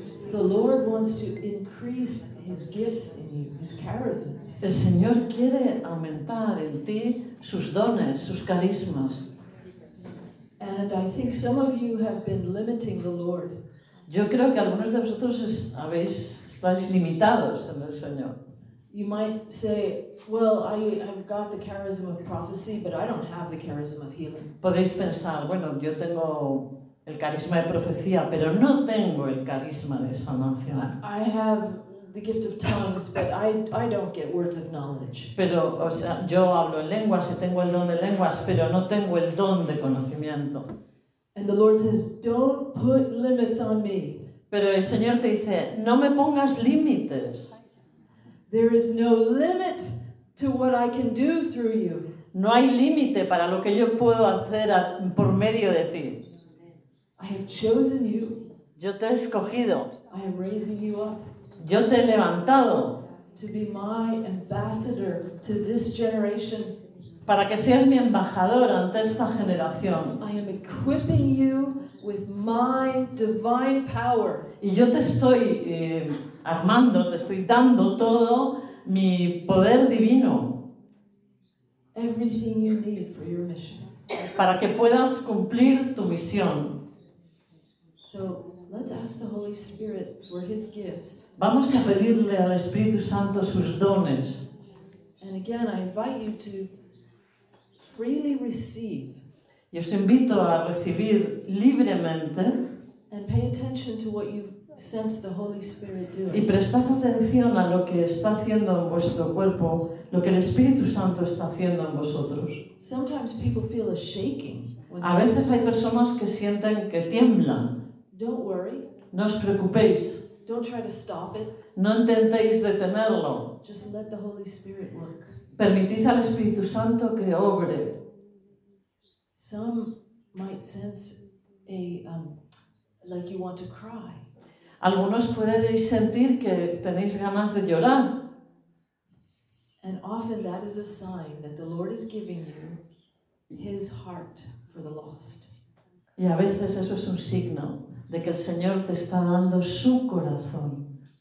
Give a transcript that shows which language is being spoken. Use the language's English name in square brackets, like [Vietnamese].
[English] The Lord wants to increase His gifts in you, His charisms. [Spanish] El Señor quiere aumentar en ti sus dones, sus carismas. [English] And I think some of you have been limiting the Lord. [Spanish] Yo creo que algunos de vosotros estáis limitados en el Señor. [English] You might say, well, I've got the charism of prophecy, but I don't have the charism of healing. [Spanish] Podéis pensar, bueno, yo tengo el carisma de profecía, pero no tengo el carisma de sanación. [English] I have the gift of tongues, but I don't get words of knowledge. [Spanish] Pero, o sea, yo hablo en lenguas y tengo el don de lenguas, pero no tengo el don de conocimiento. [English] And the Lord says, don't put limits on me. [Spanish] Pero el Señor te dice, no me pongas límites. [English] There is no limit to what I can do through you. [Spanish] No hay límite para lo que yo puedo hacer por medio de ti. [English] I have chosen you. [Spanish] Yo te he escogido. [English] I am raising you up. [Spanish] Yo te he levantado. [English] To be my ambassador to this generation. [Spanish] Para que seas mi embajador ante esta generación. [English] I am equipping you with my divine power. [Spanish] Y yo te estoy armando, te estoy dando todo mi poder divino. [English] Everything you need for your mission. [Spanish] Para que puedas cumplir tu misión. [English] So, let's ask the Holy Spirit for his gifts. [Spanish] Vamos a pedirle al Espíritu Santo sus dones. [English] And again, I invite you to freely receive. [Spanish] Y os invito a recibir libremente. [English] And pay attention to what you sense the Holy Spirit doing. [Spanish] Y prestad atención a lo que está haciendo en vuestro cuerpo, lo que el Espíritu Santo está haciendo en vosotros. [English] Sometimes people feel a shaking. [Spanish] A veces hay personas que sienten que tiemblan. [English] Don't worry. [Spanish] No os preocupéis. [English] Don't try to stop it. [Spanish] No intentéis detenerlo. [English] Just let the Holy Spirit work. [Spanish] Permitid al Espíritu Santo que obre. [English] Some might sense like you want to cry. [Spanish] Algunos podéis sentir que tenéis ganas de llorar. [English] And often that is a sign that the Lord is giving you His heart for the lost. [Spanish] Y a veces eso es un signo de que el Señor te está dando su corazón